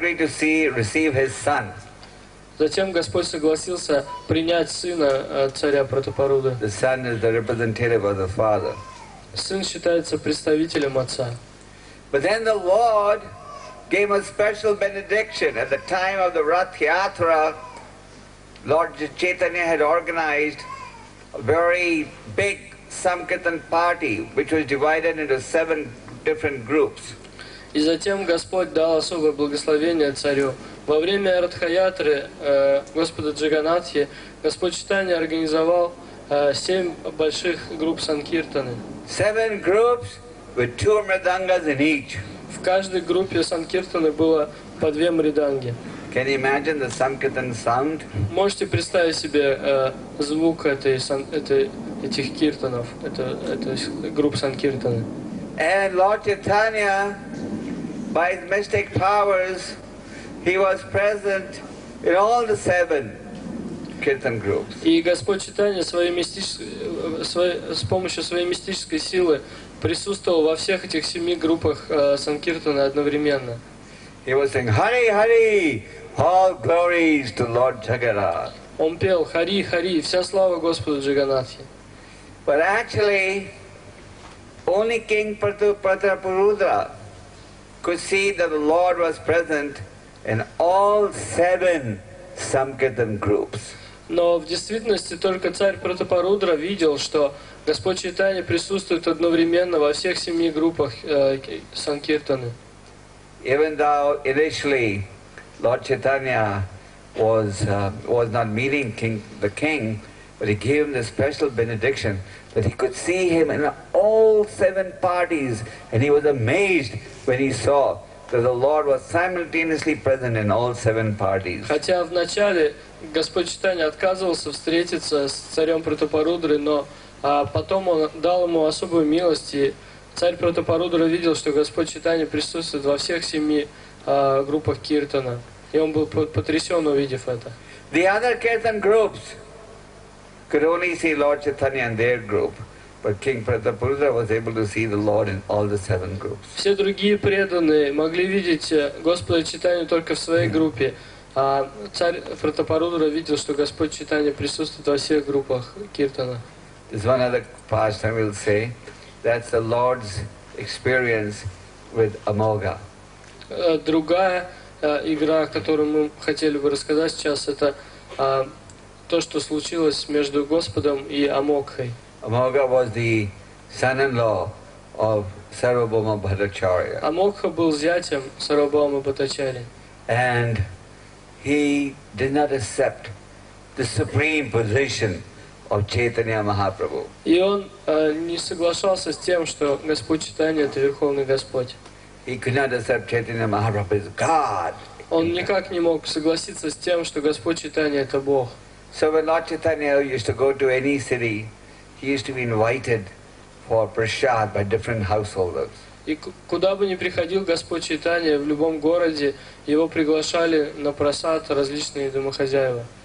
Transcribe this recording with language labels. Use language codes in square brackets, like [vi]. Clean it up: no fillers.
[en] Then the Lord agreed to receive his son. [ru] Затем Господь согласился принять сына царя Пратапаруды. [en] The son is the representative of the father. [ru] Сын считается представителем отца. [en] But then the Lord gave a special benediction at the time of the Rath Yatra. Lord Chaitanya had organized a very big Sankirtan party, which was divided into seven different groups. [ru] И затем Господь дал особое благословение царю. Во время Радха-ятры Господа Джаганатхи Господь Чайтанья организовал семь больших групп санкиртаны. [en] Seven groups with two мридангас in each. [ru] В каждой группе санкиртаны было по две мриданги. [en] Can you imagine the sankirtan sound? [ru] Можете представить себе звук этих киртанов, групп санкиртаны? [en] And Lord Chaitanya, by his mystic powers, he was present in all the seven kirtan groups. [ru] И Господь Чайтанья с помощью своей мистической силы присутствовал во всех этих семи группах санкиртана одновременно. [en] He was saying, Hari, Hari, all glories to Lord Jagannath. [ru] Он пел Хари, Хари, вся слава Господу Джаганнатхе. [en] But actually, only King Pratapurudra could see that the Lord was present in all seven Sankirtan groups. [ru] Но в действительности только царь Пратапарудра видел, что Господь Чайтанья присутствует одновременно во всех семи группах Санкиртаны. [en] Even though initially Lord Chaitanya was not meeting the king, but he gave him the special benediction that he could see him in all seven parties, and he was amazed when he saw that the Lord was simultaneously present in all seven parties. [ru] Хотя вначале Господь Читания отказывался встретиться с царем Пратапарудры, но потом он дал ему особую милость, и царь Пратапарудра видел, что Господь Читания присутствует во всех семи группах киртана, и он был потрясен, увидев это. [en] The other kirtan groups could only see Lord Chaitanya in their group, but King Pratapurudra was able to see the Lord in all the seven groups. [ru] Все другие преданные могли видеть Господа Читания только в своей группе, а царь Пратапарудра видел, что Господь Читания присутствует во всех группах киртана. [en] There's one other pastime we'll say, that's the Lord's experience with Amogha. [ru] Другая игра, о которой мы хотели бы рассказать сейчас, это то, что случилось между Господом и Амогхой. [en] Amogha was the son-in-law of Sarvabhauma Bhattacharya. [ru] Амогха был зятем Сарвабхаумы Бхаттачарьи. [en] And he did not accept the supreme position of Chaitanya Mahaprabhu. [ru] И он не соглашался с тем, что Господь Читания — это Верховный Господь. [en] He could not accept Chaitanya Mahaprabhu as God. [ru] Он никак не мог согласиться с тем, что Господь Читания — это Бог. [en] So when Lord Chaitanya used to go to any city, he used to be invited for prasad by different householders. [ru] И куда бы ни приходил Господь Читания, в любом городе его приглашали на прасад различные домохозяева.